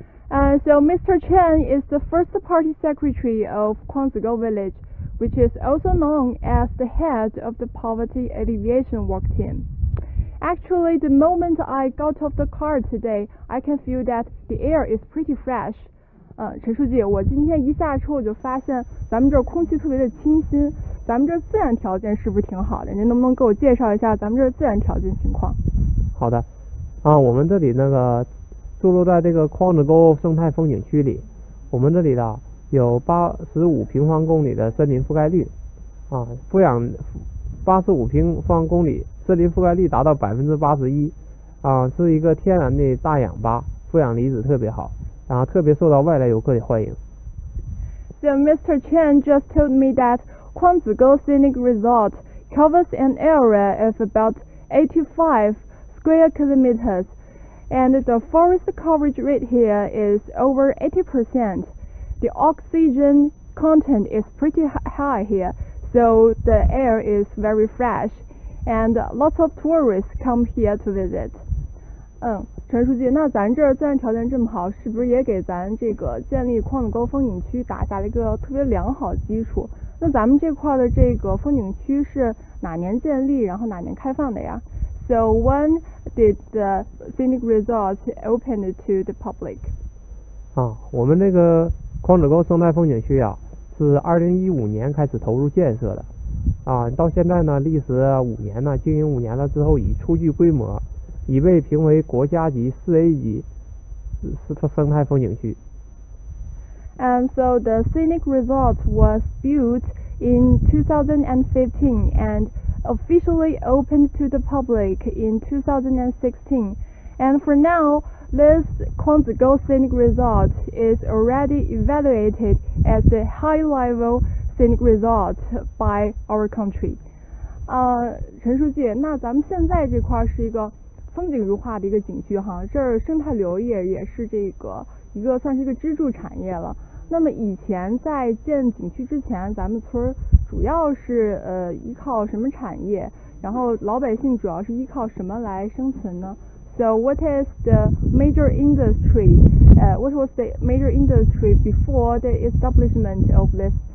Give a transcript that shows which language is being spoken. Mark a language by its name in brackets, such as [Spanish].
[English] So Mr. Chen is the first party secretary of Qingyuan Village, which is also known as the head of the poverty alleviation work team. Actually, the moment I got off the car today, I can feel that the air is pretty fresh. [Chinese] 陈书记，我今天一下车我就发现咱们这空气特别的清新，咱们这自然条件是不是挺好的？您能不能给我介绍一下咱们这自然条件情况？好的，啊，我们这里那个坐落在这个矿子沟生态风景区里，我们这里的有85平方公里的森林覆盖率，啊，负氧85平方公里。森林覆盖率达到81%，啊，是一个天然的大氧吧，负氧离子特别好，然后特别受到外来游客的欢迎。 [English] So Mr. Chen just told me that Qingyuan Scenic Resort covers an area of about 85 square kilometers, and the forest coverage rate here is over 80%. The oxygen content is pretty high here, so the air is very fresh. And lots of tourists come here to visit. [Chinese] 陈书记，那咱这自然条件这么好，是不是也给咱这个建立矿子沟风景区打下了一个特别良好基础？那咱们这块的这个风景区是哪年建立，然后哪年开放的呀 [English] ？So when did the scenic resort open to the public? [Chinese] 啊，我们这个矿子沟生态风景区啊，是2015年开始投入建设的。啊，到现在呢，历时五年呢，经营五年了之后，已初具规模，已被评为国家级4A级生态风景区。 [English] And so the scenic resort was built in 2015 and officially opened to the public in 2016. And for now, this Qingyuan Scenic Resort is already evaluated as a high level. Scenic resort by our country. [Chinese] 陈书记，那咱们现在这块是一个风景如画的一个景区哈，这儿生态旅游业也是这个一个算是一个支柱产业了。那么以前在建景区之前，咱们村主要是依靠什么产业？然后老百姓主要是依靠什么来生存呢 [English] ？So what is the major industry? What was the major industry before the establishment of this?